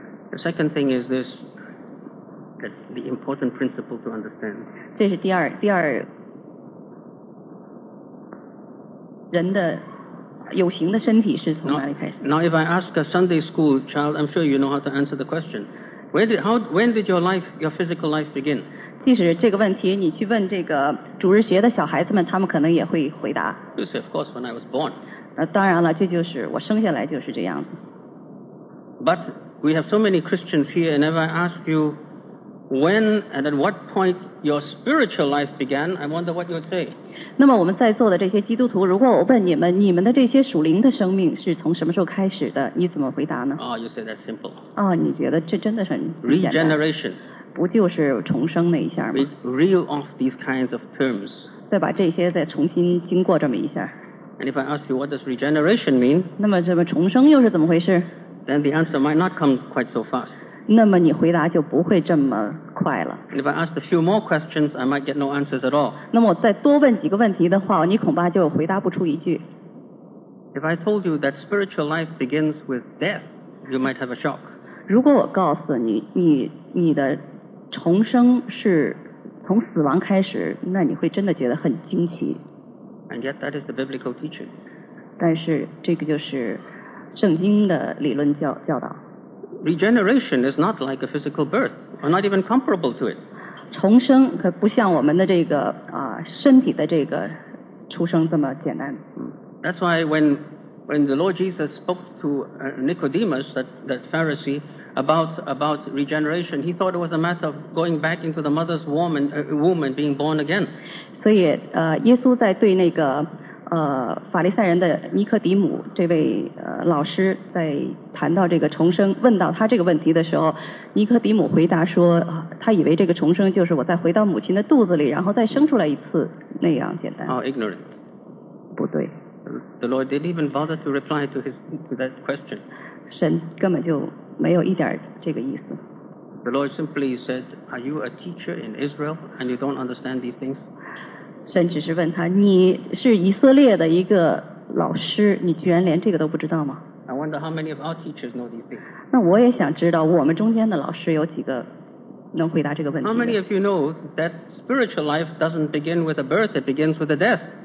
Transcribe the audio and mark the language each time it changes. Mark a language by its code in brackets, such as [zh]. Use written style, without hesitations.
[en] The second thing is this, that the important principle to understand. [zh] 这是第二人的有形的身体是从哪里开始。 [en] Now if I ask a Sunday school child, I'm sure you know how to answer the question. When did your physical life begin? [zh] 即使这个问题你去问这个主日学的小孩子们，他们可能也会回答。 [en] You say, of course, when I was born. [zh] 那当然了，这就是我生下来就是这样子。 [en] But we have so many Christians here, and if I ask you when and at what point your spiritual life began, I wonder what you'd say. [zh] 那么我们在座的这些基督徒，如果我问你们，你们的这些属灵的生命是从什么时候开始的，你怎么回答呢？ [en] Oh, you say that's simple. [zh] 哦，你觉得这真的很简单。Regeneration. 不就是重生那一下吗？ [en] Reel off these kinds of terms. [zh] 再把这些再重新经过这么一下。 [en] And if I ask you what does regeneration mean? [zh] 那么这个重生又是怎么回事？ [en] Then the answer might not come quite so fast. [zh] 那么你回答就不会这么快了。 [en] And if I ask a few more questions, I might get no answers at all. [zh] 那么我再多问几个问题的话，你恐怕就回答不出一句。 [en] If I told you that spiritual life begins with death, you might have a shock. [zh] 如果我告诉你，你的重生是从死亡开始，那你会真的觉得很惊奇。 [en] And yet that is the biblical teaching. [zh] 但是这个就是圣经的理论教导。 [en] Regeneration is not like a physical birth, or not even comparable to it. [zh] 重生可不像我们的这个身体的这个出生这么简单。 [en] That's why when the Lord Jesus spoke to Nicodemus, that Pharisee,About regeneration, he thought it was a matter of going back into the mother's womb and being born again. [zh] 所以，耶稣在对那个法利赛人的尼可底母这位老师在谈到这个重生，问到他这个问题的时候，尼可底母回答说，他以为这个重生就是我再回到母亲的肚子里，然后再生出来一次那样简单。 [en] How ignorant! [zh] 不对。 [en] The Lord didn't even bother to reply to that question. [zh] 神根本就没有一点这个意思。 [en] The Lord simply said, "Are you a teacher in Israel, and you don't understand these things?" [zh] 神只是问他，你是以色列的一个老师，你居然连这个都不知道吗 [en] ？I wonder how many of our teachers know these things. [zh] 那我也想知道，我们中间的老师有几个能回答这个问题 [en] ？How many of you know that spiritual life doesn't begin with a birth; it begins with a death?